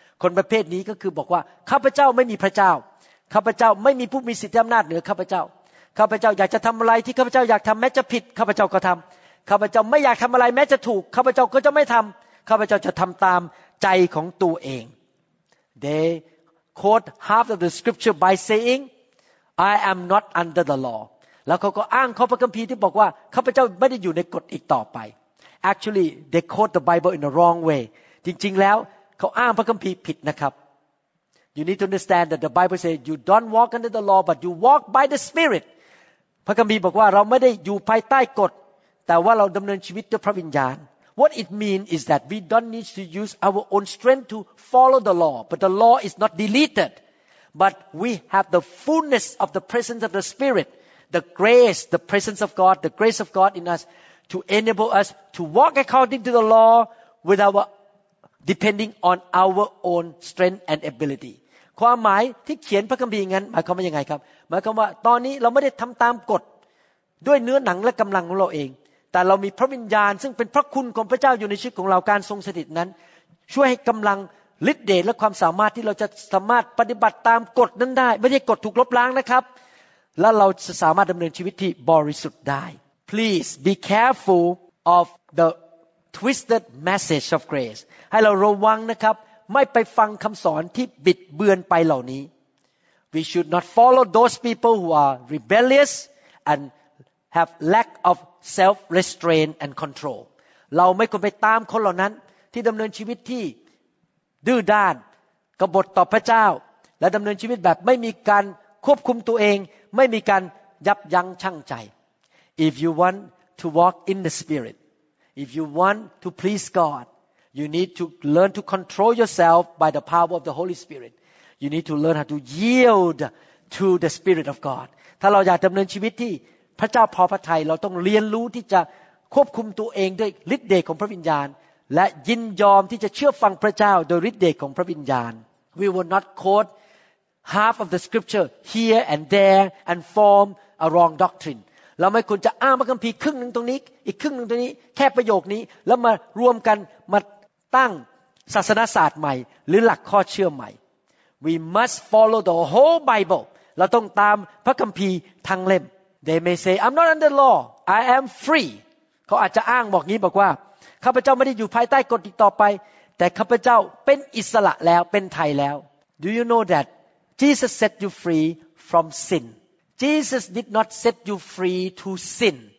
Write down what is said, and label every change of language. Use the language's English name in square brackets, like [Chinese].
[Thai] คนประเภทนี้ก็คือบอกว่าข้าพเจ้าไม่มีพระเจ้าข้าพเจ้าไม่มีผู้มีสิทธิอำนาจเหนือข้าพเจ้าข้าพเจ้าอยากจะทำอะไรที่ข้าพเจ้าอยากทำแม้จะผิดข้าพเจ้าก็ทำข้าพเจ้าไม่อยากทำอะไรแม้จะถูกข้าพเจ้าก็จะไม่ทำข้าพเจ้าจะทำตามใจของตัวเอง [English] They quote half of the scripture by saying I am not under the law [Thai] แล้วเขาก็อ้างข้อพระคัมภีร์ที่บอกว่าข้าพเจ้าไม่ได้อยู่ในกฎอีกต่อไป [English] Actually they quote the Bible in the wrong way [Thai] จริงๆแล้วเขาอ้างพระคัมภีร์ผิดนะครับ [English] You need to understand that the Bible says you don't walk under the law but you walk by the Spirit [Thai] พระคัมภีร์บอกว่าเราไม่ได้อยู่ภายใต้กฎแต่ว่าเราดำเนินชีวิตด้วยพระวิญญาณ [English] What it means is that we don't need to use our own strength to follow the law, but the law is not deleted. But we have the fullness of the presence of the Spirit, the grace, the presence of God, the grace of God in us to enable us to walk according to the law without depending on our own strength and ability. [Thai] ความหมายที่เขียนพระคัมภีร์งั้นหมายความว่ายังไงครับหมายความว่าตอนนี้เราไม่ได้ทำตามกฎด้วยเนื้อหนังและกำลังของเราเองแต่เรามีพระวิญญาณซึ่งเป็นพระคุณของพระเจ้าอยู่ในชีวิตของเราการทรงสถิตนั้นช่วยให้กำลังฤทธิ์เดชและความสามารถที่เราจะสามารถปฏิบัติตามกฎนั้นได้ไม่ใช่กฎถูกลบล้างนะครับแล้วเราจะสามารถดำเนินชีวิตที่บริสุทธิ์ได้ [English] Please be careful of the twisted message of grace [Thai] ให้เราระวังนะครับไม่ไปฟังคำสอนที่บิดเบือนไปเหล่านี้ [English] We should not follow those people who are rebellious and have lack ofself-restraint and control. [Thai] เราไม่ควรไปตามคนเหล่านั้นที่ดำเนินชีวิตที่ดื้อด้านกบฏต่อพระเจ้าและดำเนินชีวิตแบบไม่มีการควบคุมตัวเองไม่มีการยับยั้งชั่งใจ [English] If you want to walk in the Spirit, if you want to please God, you need to learn to control yourself by the power of the Holy Spirit. You need to learn how to yield to the Spirit of God. [Thai] ถ้าเราอยากดำเนินชีวิตที่พระเจ้าพอพระทัยเราต้องเรียนรู้ที่จะควบคุมตัวเองด้วยฤทธิ์เดชของพระวิญญาณและยินยอมที่จะเชื่อฟังพระเจ้าโดยฤทธิ์เดชของพระวิญญาณ [English] We will not quote half of the scripture here and there and form a wrong doctrine [Thai] เราไม่ควรจะอ้างพระคัมภีร์ครึ่งนึงตรงนี้อีกครึ่งนึงตรงนี้แค่ประโยคนี้แล้วมารวมกันมาตั้งศาสนศาสตร์ใหม่หรือหลักข้อเชื่อใหม่ [English] We must follow the whole Bible [Thai] เราต้องตามพระคัมภีร์ทั้งเล่ม [English] They may say, I'm not under law. I am free. [Thai] เขาอาจจะอ้างบอกงี้บอกว่าข้าพเจ้าไม่ได้อยู่ภายใต้กฎอีกต่อไปแต่ข้าพเจ้าเป็นอิสระแล้วเป็นไทยแล้ว [English] Do you know that Jesus set you free from sin? Jesus did not set you free to sin.